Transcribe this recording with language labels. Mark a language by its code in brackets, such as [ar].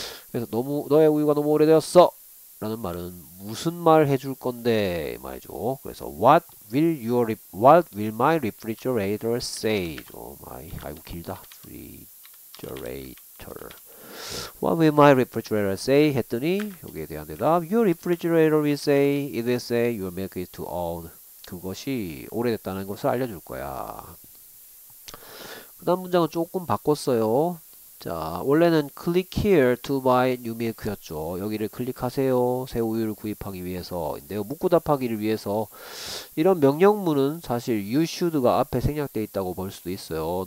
[ko] 그래서 너무 너의 우유가 너무 오래되었어. 라는 말은 무슨 말 해줄 건데 말이죠. 그래서 [en] what will my refrigerator say? [ko] 좀 아이고 길다. refrigerator. [en] What will my refrigerator say? [ko] 했더니 여기에 대한 대답. [en] Your refrigerator will say it will say your milk is too old. [ko] 그것이 오래됐다는 것을 알려줄 거야. 그다음 문장은 조금 바꿨어요. 자, 원래는 [en] click here to buy new milk [ko] 였죠. 여기를 클릭하세요. 새 우유를 구입하기 위해서인데요. 묻고 답하기를 위해서. 이런 명령문은 사실 [en] you should [ko] 가 앞에 생략되어 있다고 볼 수도 있어요.